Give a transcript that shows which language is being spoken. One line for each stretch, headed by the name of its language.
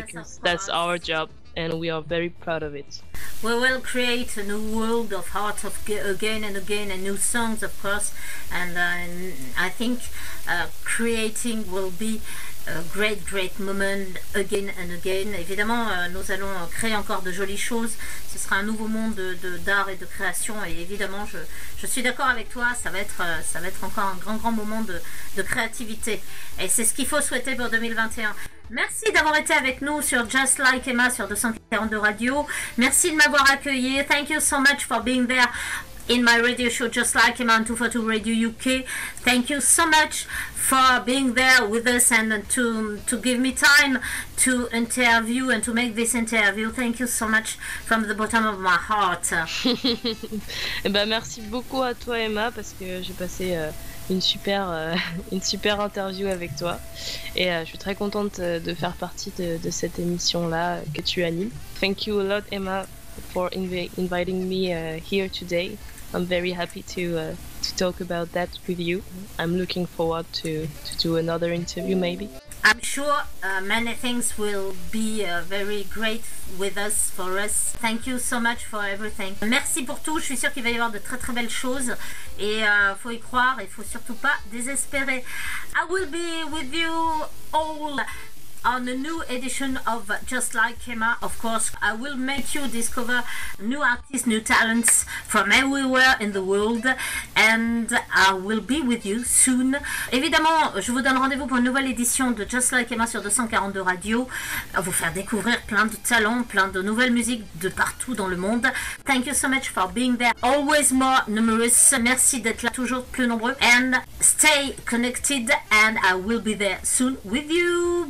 English: because that's our job, and we are very proud of it. We will create a new world of art of again and again, and new songs, of course. And I think creating will be a great, great moment again and again.
French: Évidemment, nous allons créer encore de jolies choses. Ce sera un nouveau monde d'art et de création. Et évidemment, je suis d'accord avec toi. Ça va être encore un grand, grand moment de créativité. Et c'est ce qu'il faut souhaiter pour 2021. Merci d'avoir été avec nous sur Just Like Emma sur 242 Radio. Merci de m'avoir accueilli.
English: Thank you so much for being there in my radio show Just Like Emma on 242 Radio UK. Thank you so much for being there with us and to give me time to interview and to make this interview. Thank you so much from the bottom of my heart.
French: Et ben, merci beaucoup à toi, Emma, parce que j'ai passé une super interview avec toi. Et je suis très contente de faire partie de cette émission-là que tu animes.
English: Thank you a lot, Emma, for inviting me here today. I'm very happy to talk about that with you. I'm looking forward to do another interview, maybe. I'm sure many things will be very great with us, for us. Thank you so much for everything.
French: Merci pour tout. Je suis sûre qu'il va y avoir de très très belles choses. Et faut y croire et faut surtout pas désespérer.
English: I will be with you all on a new edition of Just Like Emma. Of course, I will make you discover new artists, new talents from everywhere in the world, and I will be with you soon.
French: Évidemment, je vous donne rendez-vous pour une nouvelle édition de Just Like Emma sur 242 Radio, vous faire découvrir plein de talents, plein de nouvelles musiques de partout dans le monde.
English: Thank you so much for being there. Always more numerous.
French: Merci d'être là, toujours plus nombreux.
English: And stay connected, and I will be there soon with you.